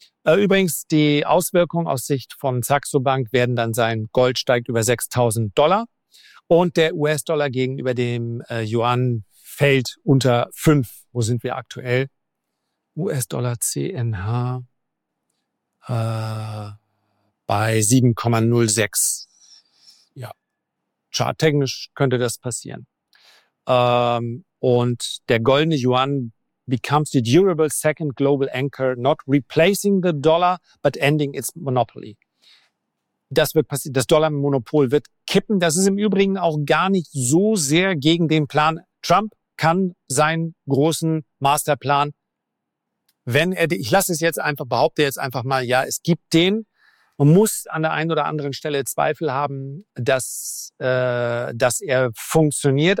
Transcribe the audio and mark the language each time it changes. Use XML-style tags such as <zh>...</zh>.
<de>Übrigens, die Auswirkungen aus Sicht von Saxo Bank werden dann sein, Gold steigt über 6.000 Dollar und der US-Dollar gegenüber dem Yuan fällt unter 5. Wo sind wir aktuell? US-Dollar CNH bei 7,06. Ja, charttechnisch könnte das passieren. Und der goldene Yuan</de> <en>becomes the durable second global anchor, not replacing the dollar, but ending its monopoly.</en> <de>Das wird passieren. Das Dollar-Monopol wird kippen. Das ist im Übrigen auch gar nicht so sehr gegen den Plan. Trump kann seinen großen Masterplan, ich behaupte jetzt einfach mal, ja, es gibt den. Man muss an der einen oder anderen Stelle Zweifel haben, dass er funktioniert.</de>